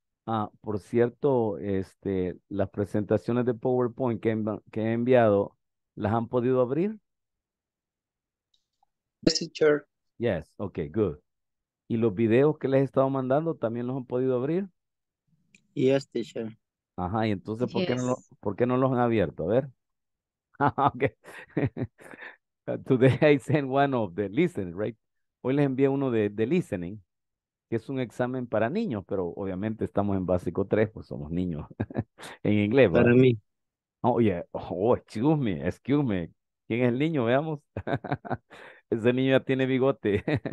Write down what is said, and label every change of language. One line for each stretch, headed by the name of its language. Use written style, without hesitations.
Spanish: Ah, por cierto, las presentaciones de PowerPoint que he enviado, ¿las han podido abrir?
English: Yes, teacher. Yes, okay, good.
Spanish: ¿Y los videos que les he estado mandando también los han podido abrir?
English: Yes, teacher.
Spanish: Ajá, y entonces, ¿por qué no, los han abierto? A ver.
English: Okay. Today I sent one of the listeners, right?
Spanish: Hoy les envié uno de listening, que es un examen para niños, pero obviamente estamos en básico 3, pues somos niños en inglés. Para mí.
English: Oh, yeah. Oh, excuse me.
Spanish: ¿Quién es el niño? Veamos. Ese niño ya tiene bigote.